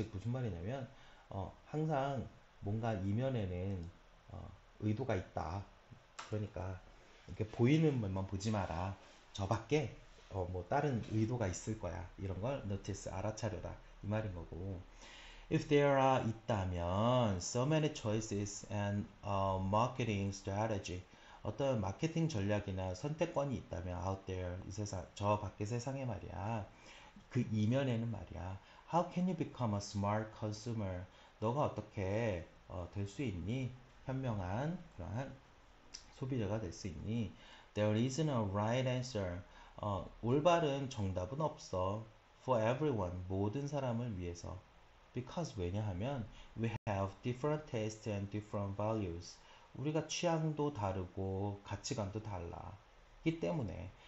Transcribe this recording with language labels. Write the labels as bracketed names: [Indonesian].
[Korean] 즉 무슨 말이냐면 항상 뭔가 이면에는 의도가 있다. 그러니까 이렇게 보이는 것만 보지 마라. 저 밖에 뭐 다른 의도가 있을 거야. 이런 걸 notice 알아차려라 이 말인 거고. [English] If there are [Korean] 있다면 [English] so many choices and a marketing strategy [Korean] 어떤 마케팅 전략이나 선택권이 있다면 [English] out there [Korean] 이 세상 저 밖에 세상에 말이야 그 이면에는 말이야 [English] How can you become a smart consumer? [Korean] 너가 어떻게 될수 있니? 현명한 그러한 소비자가 될수 있니? [English] There isn't a right answer. [Korean] 올바른 정답은 없어. [English] For everyone, [Korean] 모든 사람을 위해서. [English] Because [Korean] 왜냐하면 [English] we have different tastes and different values. [Korean] 우리가 취향도 다르고 가치관도 달라.기 때문에.